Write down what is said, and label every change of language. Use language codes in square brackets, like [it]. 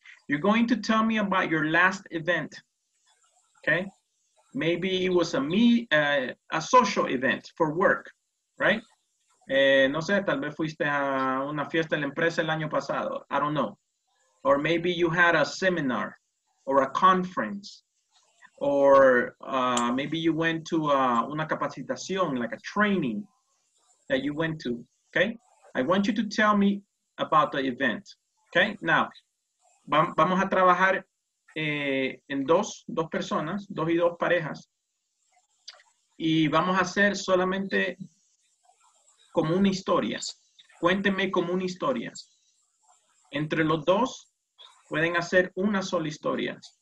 [en] You're going to tell me about your last event, okay? Maybe it was a social event for work, right? [es] No sé, tal vez fuiste a una fiesta en la empresa el año pasado. [en] I don't know. Or maybe you had a seminar or a conference. Or maybe you went to [es] una capacitación, [en] like a training that you went to, okay? I want you to tell me about the event, okay? Now, [es] vamos a trabajar en dos personas, dos y dos parejas. Y vamos a hacer solamente como una historia. Cuéntenme como una historia. Entre los dos pueden hacer una sola historia.